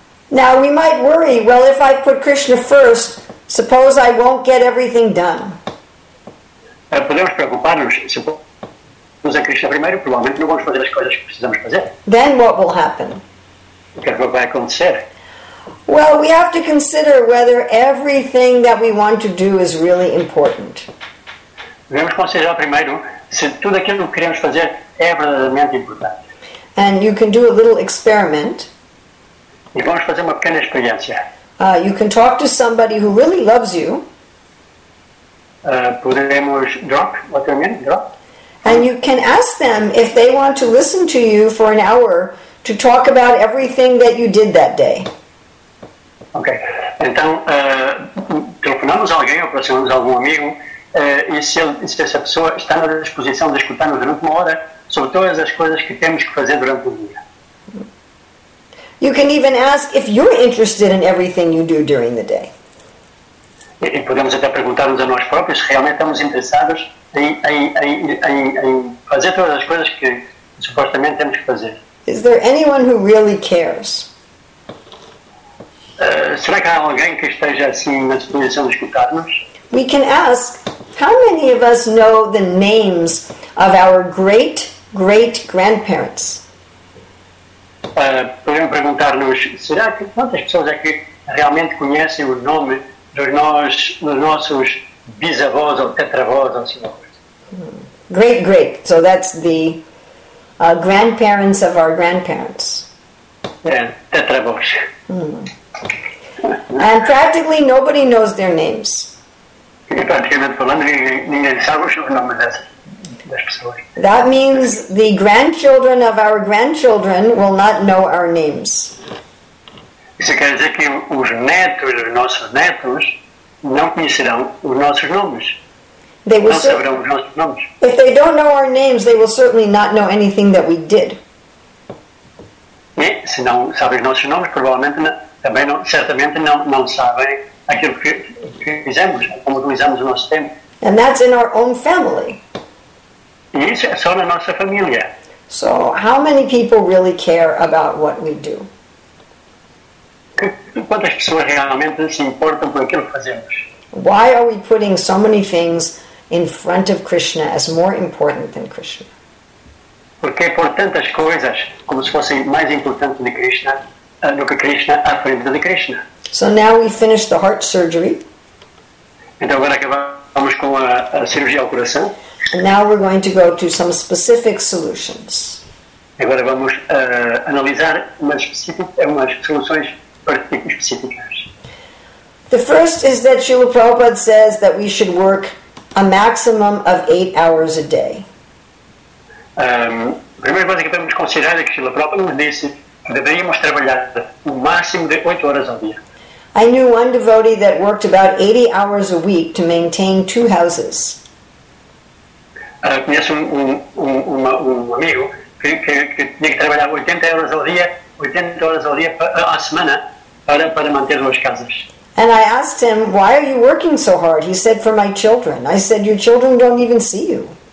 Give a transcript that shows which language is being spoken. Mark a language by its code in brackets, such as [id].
[en] Now, we might worry, well, if I put Krishna first, suppose I won't get everything done. [pt] Podemos preocupar-nos, se pôrmos a Krishna primeiro, provavelmente não vamos fazer as coisas que precisamos fazer. [en] Then what will happen? [pt] O que é que vai acontecer? [en] Well, we have to consider whether everything that we want to do is really important. [pt] Devemos considerar primeiro se tudo aquilo que queremos fazer é verdadeiramente importante. [en] And you can do a little experiment. [pt] E vamos fazer uma pequena experiência. [en] You can talk to somebody who really loves you. [pt] Podemos [en] drop, what do you mean? Drop. And you can ask them if they want to listen to you for an hour to talk about everything that you did that day. Okay. [pt] Então, telefonamos alguém, ou aproximamos algum amigo, e se essa pessoa está na disposição de escutar-nos durante uma hora sobre todas as coisas que temos que fazer durante o dia. [en] You can even ask if you're interested in everything you do during the day. [pt] E podemos até perguntar-nos a nós próprios se realmente estamos interessados em fazer todas as coisas que supostamente temos que fazer. [en] Is there anyone who really cares? [pt] Será que há alguém que esteja assim na disposição de escutar-nos? [en] We can ask, how many of us know the names of our great, great grandparents? [pt] Podemos perguntar-nos, será que quantas pessoas é que realmente conhecem o nome dos nossos bisavós ou tetravós ou assim? [en] Great, great. So that's the grandparents of our grandparents. [pt] É, tetravós. [en] And practically nobody knows their names. That means the grandchildren of our grandchildren will not know our names. If they don't know our names, they will certainly not know anything that we did. [pt] Se não sabem os nossos nomes, provavelmente também não, certamente não sabem aquilo que fizemos, como utilizamos o nosso tempo. [en] And that's in our own family. [pt] E isso é só na nossa família. [en] So, how many people really care about what we do? [pt] Quantas pessoas realmente se importam com aquilo que fazemos? [en] Why are we putting so many things in front of Krishna as more important than Krishna? [pt] Porque por tantas coisas como se fossem mais importantes de Krishna, do que Krishna à frente de Krishna. [en] So now we finish the heart surgery. [pt] Então agora acabamos com a cirurgia ao coração. [en] And now we're going to go to some specific solutions. [pt] Agora vamos analisar umas soluções específicas. [en] The first is that Srila Prabhupada says that we should work a maximum of 8 hours a day. [pt] A primeira coisa que devemos considerar é que Srila Prabhupada nos disse que deveríamos trabalhar o máximo de 8 horas ao dia. [en] I knew one devotee that worked about 80 hours a week to maintain 2 houses. [pt] Conheço um amigo que tinha que trabalhar 80 horas ao dia à semana para manter 2 casas. [en] And I asked him, why are you working so hard? He said, for my children. I said, your children don't even see you.